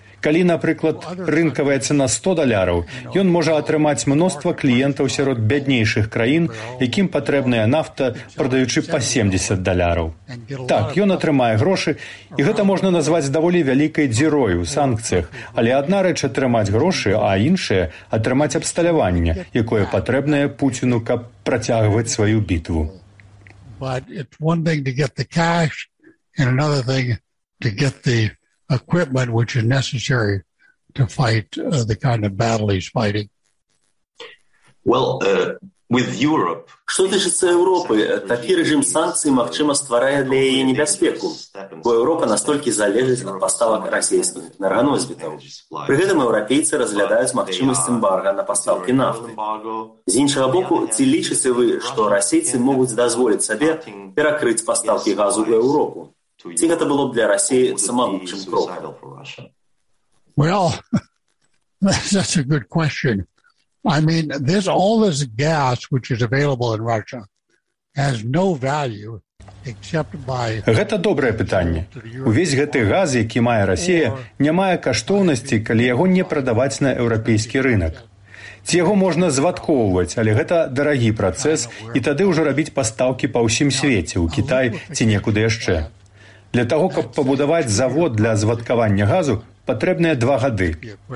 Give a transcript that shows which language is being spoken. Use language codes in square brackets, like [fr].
[be] Калі, напрыклад, рынкавая цена 100 даляраў, ён можа атрымаць мноства кліентаў сярод бяднейшых краін, якім патрэбная нафта, прадаючы па 70 даляраў. Так, ён атрымае грошы, і гэта можна назваць даволі вялікай дзірой у санкцыях, але адна рэч атрымаць грошы, а іншая атрымаць абсталяванне, якое патрэбнае Пуціну, каб працягваць сваю бітву. [en] But it's one thing to get the cash and another thing to get the equipment which is necessary to fight the kind of battle he's fighting. Well, with Europe, [uk] що тичиться Європи, такий режим санкцій можливо створює для неї небезпеку, бо Європа настільки залежить від поставок російських енергоносіїв. При цьому європейці розглядають можливість ембарго на поставки нафти. З іншого боку, чи лічите ви, що російці можуть дозволити собі перекрити поставки газу в Європу? Чи це було б для Росії самим кроком? [en] Well, that's a good question. I mean, this all this gas which is available in Russia has no value except by. [be] Гэта добрае пытанне. Увесь гэты газ, які мае Расія, не мае каштоўнасці, калі яго не прадаваць на еўрапейскі рынак. Ці яго можна звадкоўваць, але гэта дарагі працэс, і тады ўжо рабіць пастаўкі па ўсім свеце, у Кітай ці некуды яшчэ. Для таго, каб пабудаваць завод для звадкавання газу, патрэбныя 2 гады.